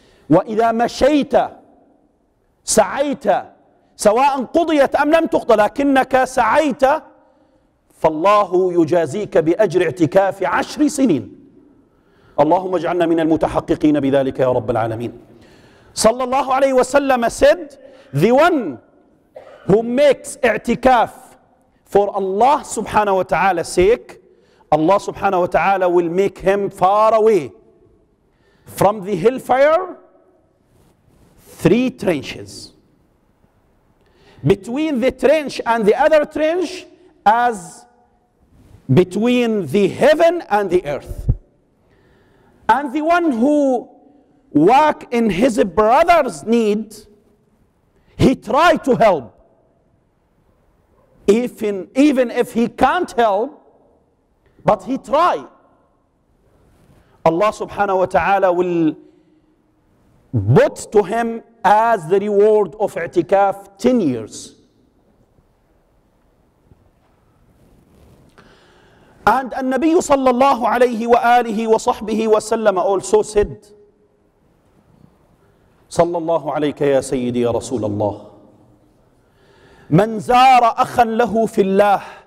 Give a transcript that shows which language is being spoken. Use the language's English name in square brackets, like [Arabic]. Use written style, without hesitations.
[Arabic] وإذا مشيت سعيت سواء قضيت أم لم تقضى لكنك سعيت فالله يجازيك بأجر اعتكاف 10 سنين. اللهم اجعلنا من المتحققين بذلك يا رب العالمين. صلى الله عليه وسلم [English] said, the one who makes اعتكاف for Allah subhanahu wa ta'ala's sake, Allah subhanahu wa ta'ala will make him far away from the hellfire 3 trenches. Between the trench and the other trench as between the heaven and the earth. And the one who walk in his brother's need, he tried to help. Even if he can't help, but he tried. Allah subhanahu wa ta'ala will put to him as the reward of i'tikaf 10 years. And an-Nabi sallallahu alayhi wa alihi wa sahbihi wa sallam also said, [Arabic] صلى الله عليك يا سيدي يا رسول الله من زار أخا له في الله